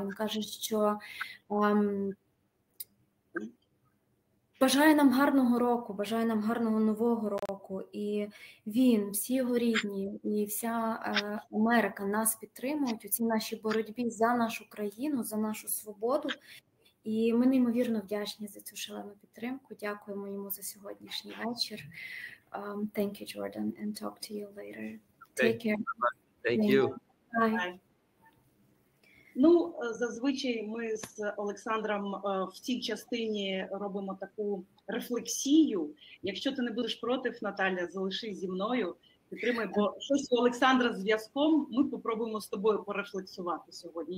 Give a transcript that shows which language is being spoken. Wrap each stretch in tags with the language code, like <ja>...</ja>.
<uk>Він каже, що бажає нам гарного року, бажає нам гарного нового року. І він, всі його рідні і вся Америка нас підтримують у цій нашій боротьбі за нашу країну, за нашу свободу. І ми неймовірно вдячні за цю шалену підтримку. Дякуємо йому за сьогоднішній вечір.</uk> <en>Thank you, Jordan, and talk to you later. Take care. Thank you.</en> <uk>Ну, зазвичай ми з Олександром в цій частині робимо таку рефлексію. Якщо ти не будеш проти, Наталя, залишись зі мною, підтримай, бо щось у Олександра з зв'язком, ми попробуємо з тобою порефлексувати сьогодні.</uk>